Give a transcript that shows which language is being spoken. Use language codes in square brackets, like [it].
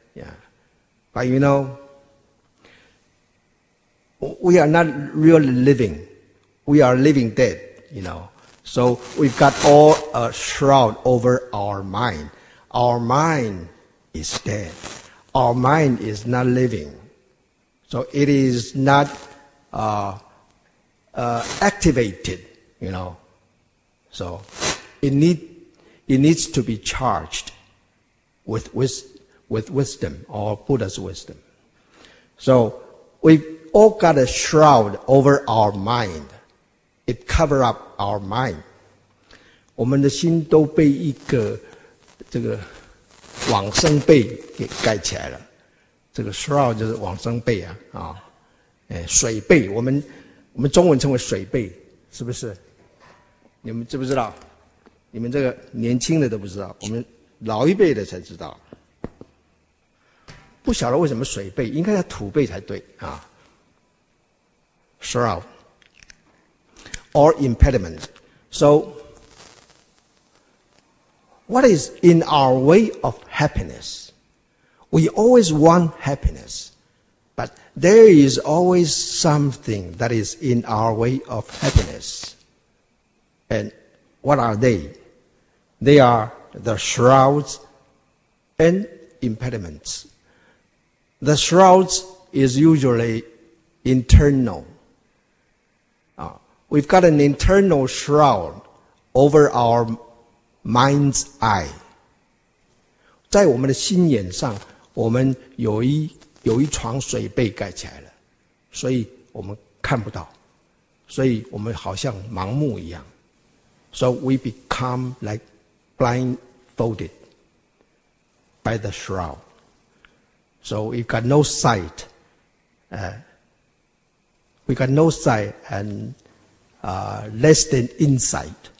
[en] Yeah， but you know， we are not really living， we are living dead， you know， so we've got all a shroud over our mind， our mind is dead， our mind is not living， so it is not activated, you know. So, it needs to be charged with wisdom or Buddha's wisdom. So, we've all got a shroud over our mind. It cover up our mind. [zh] 我们的心都被一个这个网生被给盖起来了。这个 shroud 就是往生被啊，啊，水被，我们中文称为水被，是不是？你们知不知道？你们这个年轻的都不知道，我们老一辈的才知道。不晓得为什么水被，应该叫土被才对啊。 [en] shroud or impediment. So, what is in our way of happiness? We always want happiness, but there is always something that is in our way of happiness. And what are they? They are the shrouds and impediments. The shrouds is usually internal. We've got an internal shroud over our mind's eye. [zh] 在我们的心眼上我们有一床水被盖起来了，所以我们看不到，所以我们好像盲目一样。 [en] So we become like blindfolded by the shroud. So we got no sight. We got no sight and less than insight.